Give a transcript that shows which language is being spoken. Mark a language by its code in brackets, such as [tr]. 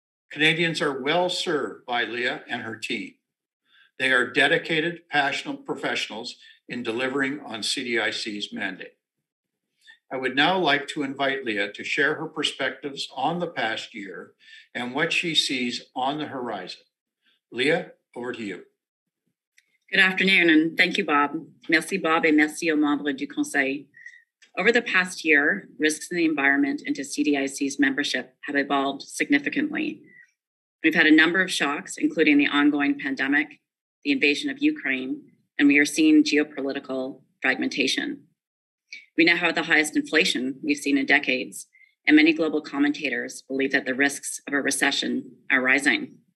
[en] Canadians are well served by Leah and her team. They are dedicated, passionate professionals in delivering on CDIC's mandate. I would now like to invite Leah to share her perspectives on the past year and what she sees on the horizon. Leah, over to you. Good afternoon, and thank you, Bob. [fr] Merci, Bob, et merci aux membres du Conseil. [en] Over the past year, risks in the environment and to CDIC's membership have evolved significantly. We've had a number of shocks, including the ongoing pandemic, the invasion of Ukraine, and we are seeing geopolitical fragmentation. We now have the highest inflation we've seen in decades, and many global commentators believe that the risks of a recession are rising.